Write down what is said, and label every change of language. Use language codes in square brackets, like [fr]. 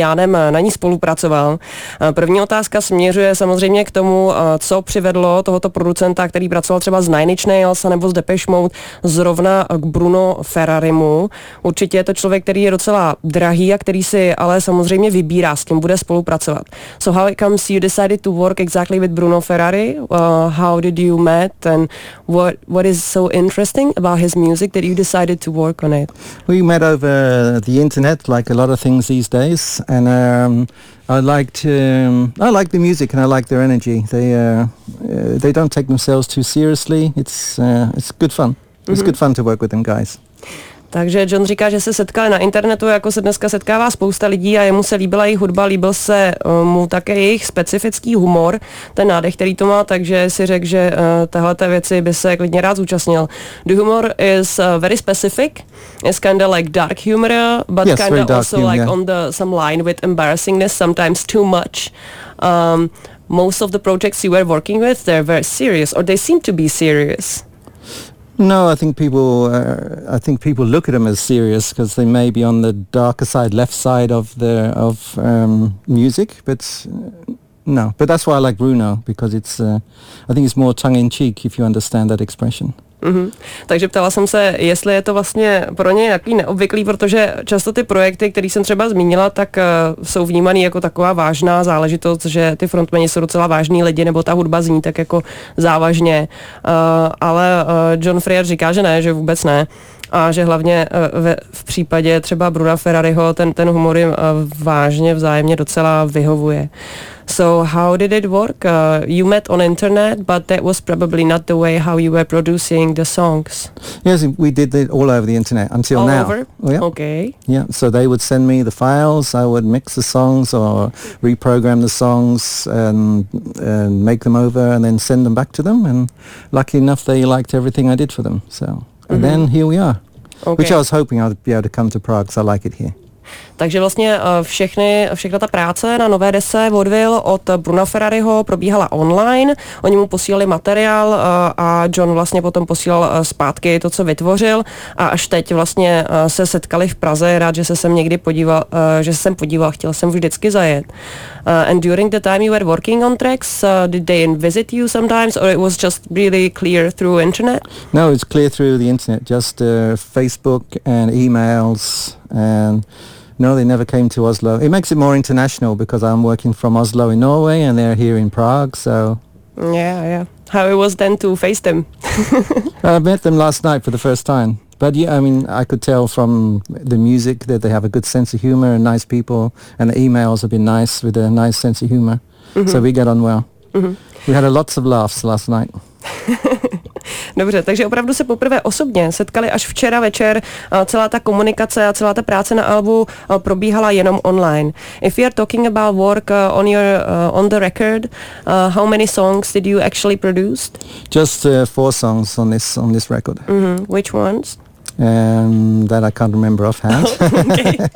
[cs] Jánem na ní spolupracoval. První otázka směřuje samozřejmě k tomu, co přivedlo tohoto producenta, který pracoval třeba s Nine Inch Nails nebo s Depeche Mode, zrovna k Bruno Ferrarimu. Určitě je to člověk, který je docela drahý a který si ale samozřejmě vybírá, s kým bude spolupracovat. [en] So how it comes you decided to work exactly with Bruno Ferrari? How did you met and what is so interesting about his music that you decided to work on it? We met over the internet, like a lot of things these days, and I like the music and I like their energy. They don't take themselves too seriously. It's good fun. Mm-hmm. It's good fun to work with them guys. [cs] Takže John říká, že se setkali na internetu, jako se dneska setkává spousta lidí a jemu se líbila jejich hudba, líbil se mu také jejich specifický humor, ten nádech, který to má, takže si řekl, že tahleté věci by se klidně rád zúčastnil. [en] The humor is very specific, it's kind of like dark humor, but yes, kind of also humor, like yeah. On the some line with embarrassingness, sometimes too much. Most of the projects you were working with, they're very serious, or they seem to be serious. No, I think people look at him as serious because they may be on the darker side, left side of music, but no. But that's why I like Bruno, because it's more tongue-in-cheek, if you understand that expression. Mm-hmm. [cs] Takže ptala jsem se, jestli je to vlastně pro ně nějaký neobvyklý, protože často ty projekty, které jsem třeba zmínila, tak jsou vnímaný jako taková vážná záležitost, že ty frontmeni jsou docela vážný lidi, nebo ta hudba zní tak jako závažně. Ale John Freyer říká, že ne, že vůbec ne. A že hlavně v případě třeba Bruna Ferrariho ten humor jim vážně vzájemně docela vyhovuje. [en] So how did it work? You met on internet, but that was probably not the way how you were producing the songs. Yes, we did it all over the internet until all now. All over? Oh, yeah. Okay. Yeah, so they would send me the files, I would mix the songs or reprogram the songs and make them over and then send them back to them. And lucky enough, they liked everything I did for them. So mm-hmm. And then here we are, okay. Which I was hoping I'd be able to come to Prague because I like it here. [cs] Takže vlastně všechna ta práce na nové desce Vaudeville od Bruna Ferrariho probíhala online, oni mu posílali materiál a John vlastně potom posílal zpátky to, co vytvořil a až teď vlastně se setkali v Praze, rád, že se sem někdy podíval, že se sem podíval, chtěl jsem vždycky zajet. [en] And during the time you were working on tracks, did they visit you sometimes or it was just really clear through internet? No, it's clear through the internet, just Facebook and emails and no, they never came to Oslo. It makes it more international because I'm working from Oslo in Norway and they're here in Prague, so... Yeah, yeah. How it was then to face them? I met them last night for the first time. But yeah, I mean, I could tell from the music that they have a good sense of humor and nice people, and the emails have been nice with a nice sense of humor. Mm-hmm. So we get on well. Mm-hmm. We had lots of laughs last night. [cs] Dobře, takže opravdu se poprvé osobně setkali až včera večer. Celá ta komunikace a celá ta práce na albu probíhala jenom online. [en] If you're talking about work on your on the record, how many songs did you actually produce? Just 4 songs on this record. Mm-hmm. Which ones? That I can't remember offhand. Okay.